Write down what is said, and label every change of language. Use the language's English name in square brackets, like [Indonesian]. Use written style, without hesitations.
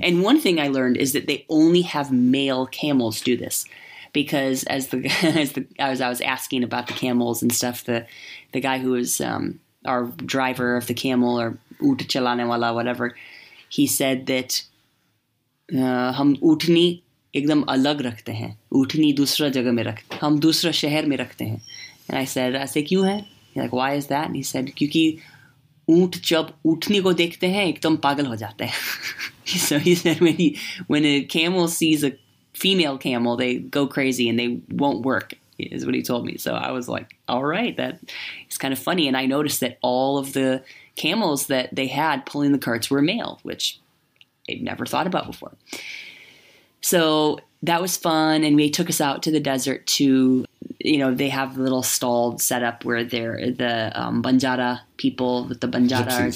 [English] And one thing I learned is that they only have male camels do this. Because as I was asking about the camels and stuff, the guy who was our driver of the camel or [Hindi] Oot Chalane Wala, [English] whatever, he said that [Hindi] Hum Ootni एकदम अलग रखते हैं [English] उठनी दूसरा जगह में रखते हम दूसरा शहर में रखते हैं एंड आई सेड [Hindi] ऐसे क्यों है [English] like why is that he said [Hindi] क्योंकि ऊंट जब उठनी को देखते हैं एकदम पागल हो जाते हैं [English] So he said when he when a camel sees a female camel they go crazy and they won't work is what he told me. So I was like, all right, that is kind of funny. And I noticed that all of the camels that they had pulling the carts were male, which I'd never thought about before. So that was fun. And they took us out to the desert to, you know, they have a little stall set up where they're the Banjara people, with the Banjara, gypsies.